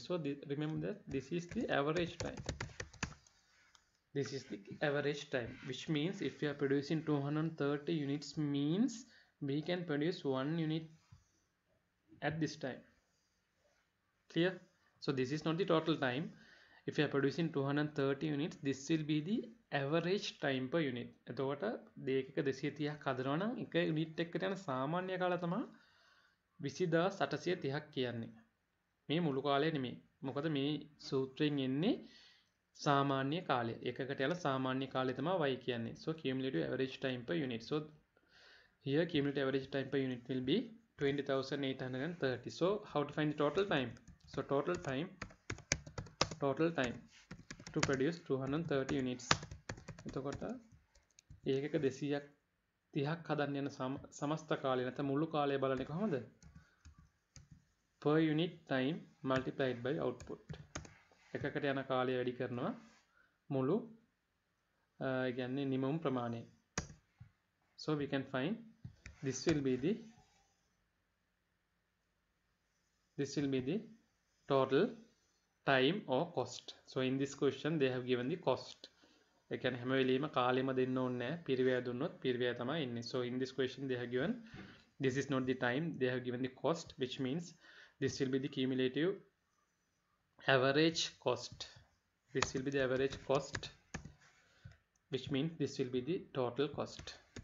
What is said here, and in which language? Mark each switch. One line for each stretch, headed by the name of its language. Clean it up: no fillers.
English: So remember that this is the average time. This is the average time, which means if we are producing 230 units, means we can produce 1 unit at this time. Clear? So this is not the total time. If you are producing 230 units, this will be the average time per unit.
Sinhala: එතකොට දෙකක 230ක් හදනවා නම් එක unit එකට යන සාමාන්‍ය කාලය තමයි 20,830ක් කියන්නේ. මේ මුළු කාලය නෙමෙයි. මොකද මේ සූත්‍රයෙන් එන්නේ සාමාන්‍ය කාලය. එකකට යන සාමාන්‍ය කාලය තමයි y කියන්නේ.
English: So cumulative average time per unit. So here cumulative average time per unit will be 20,830. So how to find the total time? So total time to produce 230 units.
Sinhala: එතකොට ඒකක 200ක් 30ක් හදන්න යන සමස්ත කාලය නැත්නම් මුළු කාලය බලන එක කොහොමද?
English: Per unit time multiplied by output.
Sinhala: එකකට යන කාලය වැඩි කරනවා මුළු يعني නිමම් ප්‍රමාණය.
English: So we can find this will be the total time or cost. So in this question they have given the cost.
Sinhala: ඒ කියන්නේ හැම වෙලෙම කාලෙම දෙන්න ඕනේ නැහැ. පිරිවැය දුන්නොත් පිරිවැය තමයි එන්නේ.
English: So in this question they have given this is not the time, they have given the cost, which means this will be the cumulative average cost. This will be the average cost, which means this will be the total cost.